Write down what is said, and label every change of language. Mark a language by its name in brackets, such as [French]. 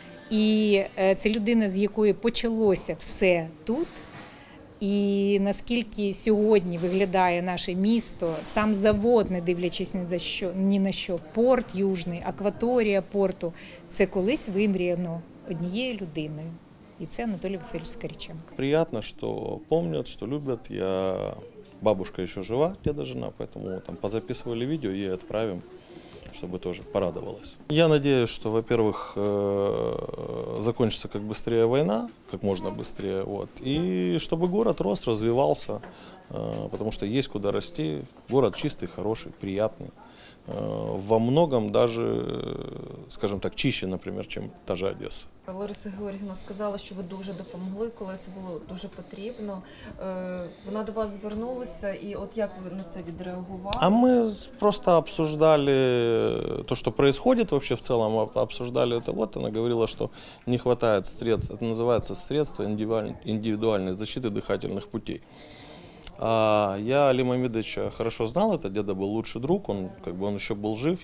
[Ukrainian] І це людина, з якої почалося все тут. І наскільки сьогодні виглядає наше місто, сам завод, не дивлячись ні на що, порт Южний, акваторія порту – це колись вимріяно однією людиною. [Russian] И это Анатолий Васильевич Скоріченко. Приятно, что помнят, что любят. Я бабушка еще жива, деда жена, поэтому там позаписывали видео и отправим, чтобы тоже порадовалась. Я надеюсь, что, во-первых, закончится как быстрее война, как можно быстрее. Вот, и чтобы город рос, развивался, потому что есть куда расти. Город чистый, хороший, приятный. Во многом даже, скажем так, чище, например, чем та же Одесса. [Ukrainian] Лариса Георгіївна сказала, що ви дуже допомогли, коли це було дуже потрібно. Вона до вас звернулася, і от як ви на це відреагували? [Russian] А ми просто обсуждали то, що происходит вообще [Ukrainian] в цілому, [Russian] обсуждали это. Вот она говорила, что не хватает средств, это называется средства индивидуальной защиты дыхательных путей. А я Алима Медовича хорошо знал, это деда был лучший друг, он как бы он еще был жив.